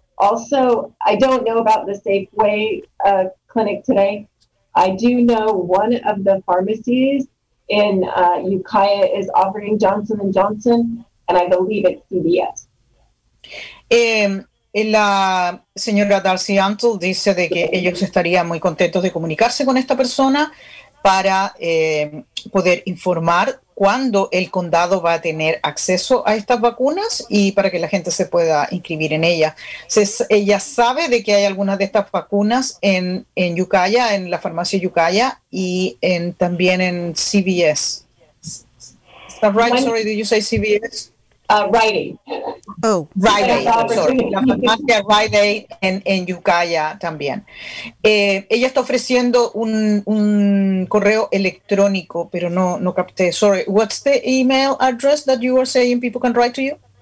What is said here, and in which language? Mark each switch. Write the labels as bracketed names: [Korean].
[English] Also, I don't know about the Safeway clinic today. I do know one of the pharmacies in Ukiah is offering Johnson & Johnson. And I believe it's CVS. [Spanish] La señora Darcy Antle dice de que ellos estarían muy contentos de comunicarse con esta persona para poder informar cuándo el condado va a tener acceso a estas vacunas y para que la gente se pueda inscribir en ellas. Ella sabe de que hay algunas de estas vacunas en Ukiah, en la farmacia Ukiah y también en CVS. [English] Is that right? Sorry, did you say CVS? Rite Aid. Oh, [Spanish] Rite Aid. Sorry. La farmacia Rite Aid en Ukiah también. Ella está ofreciendo un correo electrónico, pero no capté. [English] Sorry, what's the email address that you are saying people can write to you?